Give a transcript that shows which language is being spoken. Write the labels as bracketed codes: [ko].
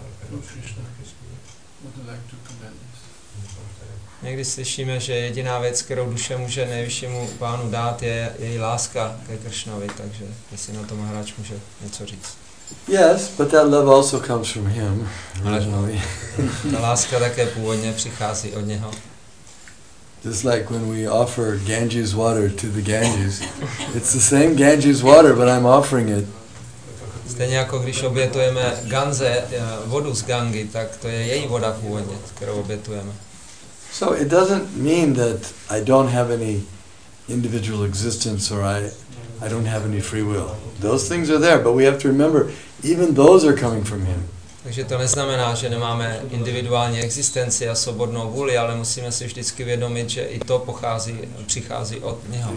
[en] Lord Krishna, would you like to comment this? [cs] Někdy slyšíme, že jediná věc, kterou duše může nejvyššímu pánu dát, je její láska ke Kršnovi, takže jestli na tom hráč může něco říct. [en] Yes, but that love also comes from him. [cs] Ta láska také původně přichází od něho. [en] Just like when we offer Ganges water to the Ganges. It's the same Ganges water, but I'm offering it. [cs] Stejně jako když obětujeme Ganze, vodu z Gangy, tak to je její voda původně, kterou obětujeme. [en] So it doesn't mean that I don't have any individual existence or I don't have any free will. Those things are there, but we have to remember even those are coming from him. [cs] Takže to neznamená, že nemáme individuální existenci a svobodnou vůli, ale musíme si vždycky vědomit, že i to pochází, přichází od něho.